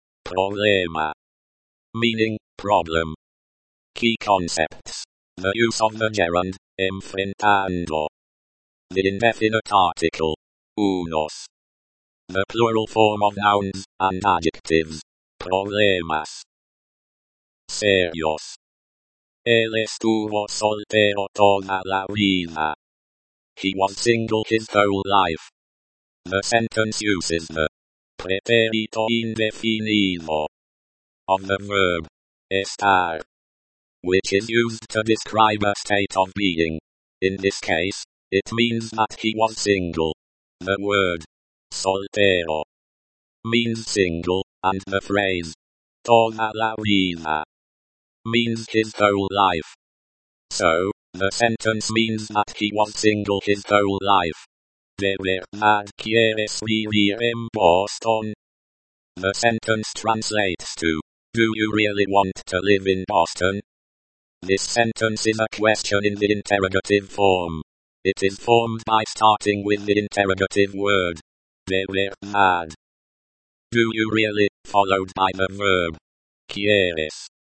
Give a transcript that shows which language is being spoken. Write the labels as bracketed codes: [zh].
[en] Problema, meaning problem. Key concepts. The use of the gerund, enfrentando. The indefinite article, unos. The plural form of nouns and adjectives. Problemas. Serios. [es] Él estuvo soltero toda la vida. [en] He was single his whole life. The sentence uses the pretérito indefinido of the verb estar, which is used to describe a state of being. In this case, it means that he was single. The word soltero means single, and the phrase [es] toda la vida [en] means his whole life. So, the sentence means that he was single his whole life. [es] ¿De verdad quieres vivir en Boston? [en] The sentence translates to, do you really want to live in Boston? This sentence is a question in the interrogative form. It is formed by starting with the interrogative word, [es] ¿de verdad? [en] Do you really, followed by the verb, quieres?